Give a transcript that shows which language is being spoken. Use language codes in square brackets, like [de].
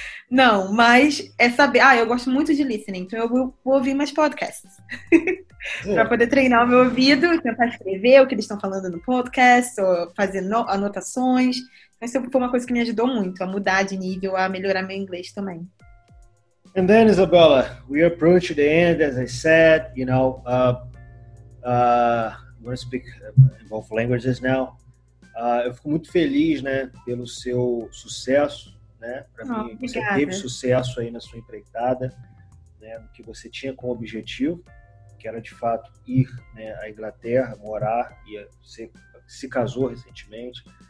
[pt] Não, mas é saber. Ah, eu gosto muito de listening, então eu vou ouvir mais podcasts. Para poder treinar o meu ouvido, tentar escrever o que eles estão falando no podcast, ou fazer anotações. Isso foi uma coisa que me ajudou muito a mudar de nível, a melhorar meu inglês também. [en] And then, Isabella, we approach the end, as I said, you know, I'm going to speak in both languages now. [pt] Eu fico muito feliz, né, pelo seu sucesso, né, para mim, você teve sucesso aí na sua empreitada, né, no que você tinha como objetivo, que era, de fato, ir, né, à Inglaterra, morar, e se casou recentemente.